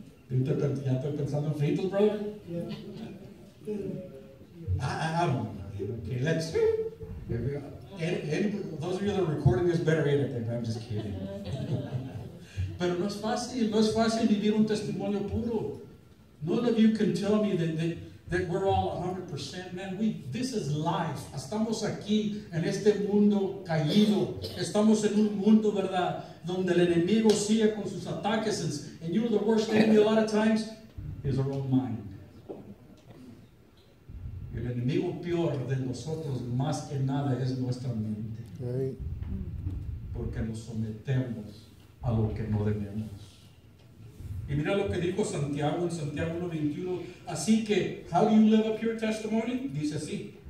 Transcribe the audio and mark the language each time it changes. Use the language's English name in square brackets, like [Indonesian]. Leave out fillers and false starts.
[Spanish] ¿Ya estoy pensando en fritos, brother? [English] Okay, let's see. Those of you that are recording this better edit it, I'm just kidding. [Spanish] Pero no es fácil vivir un testimonio puro. [English] None of you can tell me that we're all 100%. Man, this is life. [Spanish] Estamos aquí en este mundo caído. Estamos en un mundo, ¿verdad?, donde el enemigo sigue con sus ataques. [English] And you know the worst enemy a lot of times is our own mind. [Spanish] El enemigo peor de nosotros más que nada es nuestra mente. [English] Right. [Spanish] Porque nos sometemos a lo que no debemos. Y mira lo que dijo Santiago en Santiago 1:21. Así que, [English] how do you live a pure testimony? [Spanish] Dice así.